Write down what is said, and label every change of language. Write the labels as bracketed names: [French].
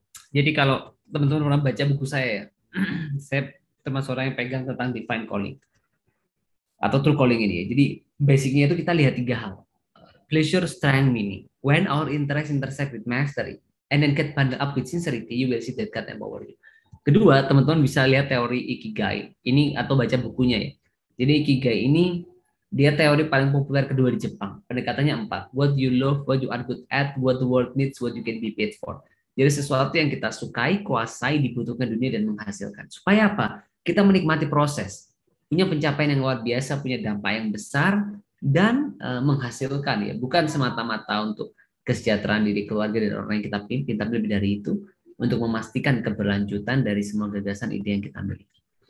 [Indonesian] Jadi kalau teman-teman pernah baca buku saya termasuk orang yang pegang tentang [English] define calling [Indonesian] atau [English] true calling [Indonesian] ini ya. Jadi basicnya itu kita lihat tiga hal. [English] Pleasure, strength, meaning. When our interest intersect with mastery, and then get bundled up with sincerity, you will see that God empower you. [Indonesian] Kedua, teman-teman bisa lihat teori Ikigai. Ini atau baca bukunya ya. Jadi Ikigai ini, dia teori paling populer kedua di Jepang. Pendekatannya empat. [English] What you love, what you are good at, what the world needs, what you can be paid for. [Indonesian] Jadi sesuatu yang kita sukai, kuasai, dibutuhkan dunia, dan menghasilkan. Supaya apa? Kita menikmati proses. Punya pencapaian yang luar biasa, punya dampak yang besar, dan menghasilkan ya, bukan semata-mata untuk kesejahteraan diri keluarga dan orang yang kita pimpin, tapi lebih dari itu untuk memastikan keberlanjutan dari semua gagasan ide yang kita miliki.